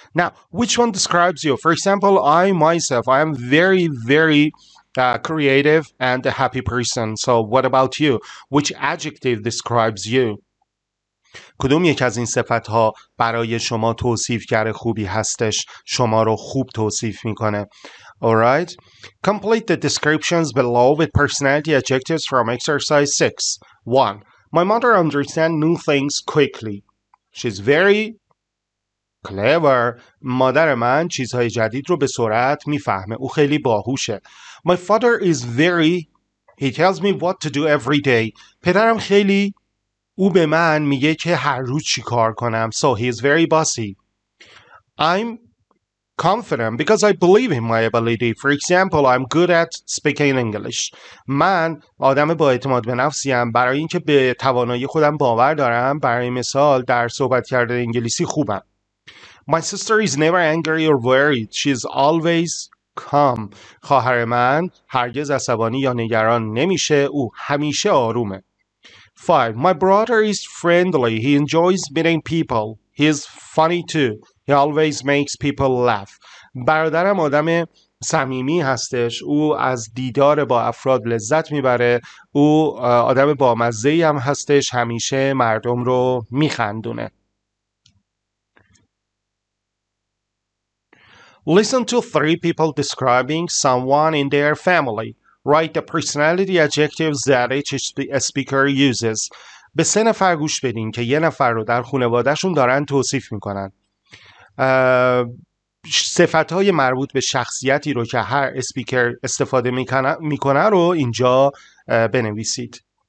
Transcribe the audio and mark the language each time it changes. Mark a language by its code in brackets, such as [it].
[en] Now, which one describes you? For example, I myself, I am very, very creative and a happy person. So what about you? Which adjective describes you? [fa] کدوم یک از این صفت ها برای شما توصیفگر خوبی هستش؟ شما رو خوب توصیف میکنه. [en] Alright. Complete the descriptions below with personality adjectives from exercise 6. 1. My mother understands new things quickly. She's very clever. [fa] مادر من چیزهای جدید رو به سرعت میفهمه. او خیلی باهوشه. [en] My father is very... He tells me what to do every day. [fa] پدرم خیلی... او به من میگه که هر روز چی کار کنم. [en] So he is very bossy. I'm confident because I believe in my ability. For example, I'm good at speaking English. [fa] من آدم با اعتماد به نفسیم برای اینکه به توانایی خودم باور دارم. برای مثال در صحبت کردن انگلیسی خوبم. [en] My sister is never angry or worried. She's always calm. [fa] خواهر من هرگز عصبانی یا نگران نمیشه. او همیشه آرومه. [en] 5. My brother is friendly. He enjoys meeting people. He is funny too. He always makes people laugh. [fa] برادرم آدم صمیمی هستش. او از دیدار با افراد لذت میبره. او آدم بامزه‌ای هم هستش. همیشه مردم رو میخندونه. [en] Listen to three people describing someone in their family. Write the personality adjectives that each speaker uses. [fa] به سه نفر گوش بدین که یه نفر رو در خانوادهشون دارن توصیف میکنن. صفتهای مربوط به شخصیتی رو که هر اسپیکر استفاده میکنه رو اینجا بنویسید.